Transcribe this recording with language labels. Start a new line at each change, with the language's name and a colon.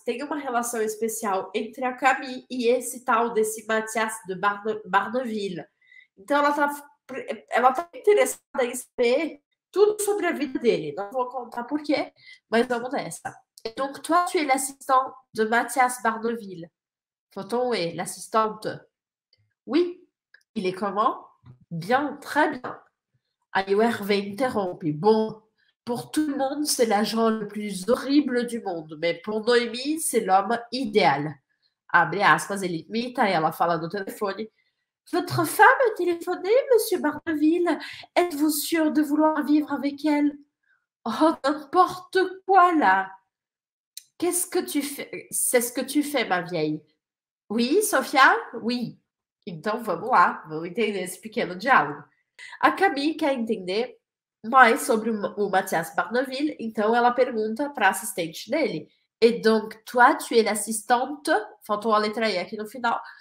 Portuguese: Tem uma relação especial entre a Camille e esse tal desse Mathias de Barneville. Então, ela tá interessada em saber tudo sobre a vida dele. Não vou contar por quê, mas vamos nessa.
French: Et donc, toi, tu es l'assistante de Mathias Barneville. Photon est l'assistante. Oui, il est comment? Bien, très bien. Ayo Hervé interrompt. Bon, pour tout le monde, c'est l'agent le plus horrible du monde, mais pour Noémie, c'est l'homme idéal.
Portuguese: Abre aspas, ele imita e ela fala no telefone.
French: Votre femme a téléphoné, monsieur Barneville. Êtes-vous sûr de vouloir vivre avec elle? Oh, n'importe quoi là! Qu'est-ce que tu fais? C'est ce que tu fais, ma vieille. Oui, Sofia? Oui.
Portuguese: Então vamos lá, vamos entender esse pequeno diálogo. A Camille quer entender mais sobre o Mathias Barneville, então ela pergunta para a assistente dele.
French: Et donc, toi, tu es l'assistante?
Portuguese: Faltou a letra E aqui no final.